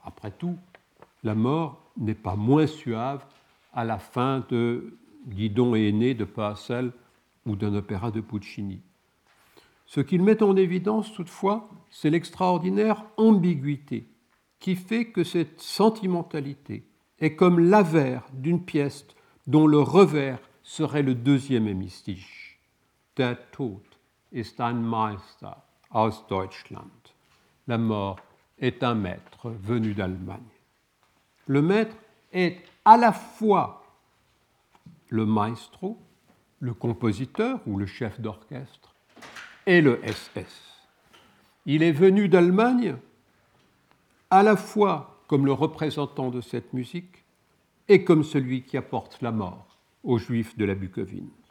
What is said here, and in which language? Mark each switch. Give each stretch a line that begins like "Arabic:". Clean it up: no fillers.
French: Après tout, la mort n'est pas moins suave à la fin de Didon et Énée de Purcell ou d'un opéra de Puccini. Ce qu'il met en évidence, toutefois, c'est l'extraordinaire ambiguïté qui fait que cette sentimentalité est comme l'avers d'une pièce dont le revers serait le deuxième hémistiche.
German: Der Tod ist ein Meister aus Deutschland.
French: La mort est un maître venu d'Allemagne. Le maître est à la fois le maestro, le compositeur ou le chef d'orchestre, et le SS. Il est venu d'Allemagne à la fois comme le représentant de cette musique et comme celui qui apporte la mort aux Juifs de la Bukovine.